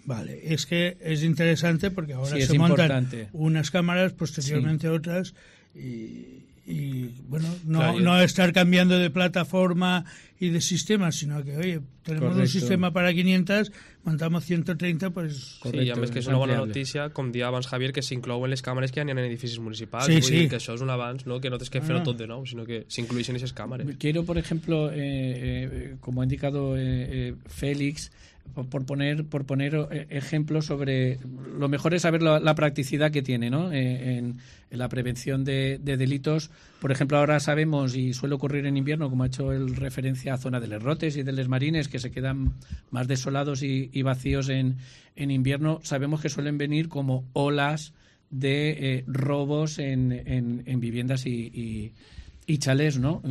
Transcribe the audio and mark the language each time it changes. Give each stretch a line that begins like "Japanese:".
Spanish: Vale, es que es interesante porque ahora sí, se montan unas cámaras, posteriormente otras, y bueno, no estar cambiando de plataforma y de sistema, sino que, oye, tenemos correcto. Un sistema para 500, montamos 130, pues... Correcto, sí, ya ves que es una buena noticia,
Catalan: com dia abans, Javier, que s'inclouen les càmeres que hi ha en edificis municipals, sí, vull sí. dir que això és un avanç, no? Que no tens que fer-ho tot de nou, sinó que s'inclouen aquestes càmeres.
Spanish: Quiero, por ejemplo, como ha indicado Félix, por poner ejemplos sobre... Lo mejor es saber la practicidad que tiene, ¿no? En la prevención de delitos. Por ejemplo, ahora sabemos, y suele ocurrir en invierno, como ha hecho el referencia a zona de Les Rotes y de Les Marines, que se quedan más desolados y vacíos en invierno, sabemos que suelen venir como olas de robos en viviendas y chalés, ¿no?